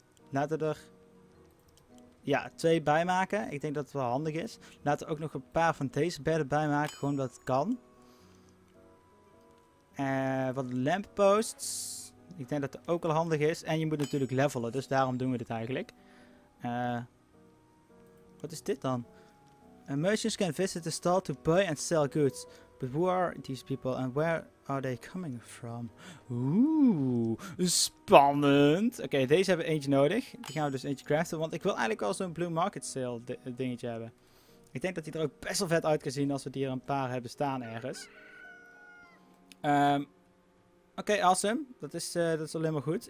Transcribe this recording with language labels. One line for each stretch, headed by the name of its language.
Dutch: Laten we er, ja, 2 bij maken. Ik denk dat het wel handig is. Laten we ook nog een paar van deze bedden bij maken, gewoon omdat het kan. Wat lampposts, ik denk dat het ook wel handig is. En je moet natuurlijk levelen, dus daarom doen we dit eigenlijk. Wat is dit dan?
English: Merchants can visit the stall to buy and sell goods. But who are these people and where are they coming from?
Dutch: Oeh, spannend. Oké, okay, deze hebben we eentje nodig. Die gaan we dus eentje craften. Want ik wil eigenlijk wel zo'n Blue Market Sale dingetje hebben. Ik denk dat die er ook best wel vet uit kan zien als we hier een paar hebben staan ergens. Oké, okay, awesome. Dat is alleen maar goed.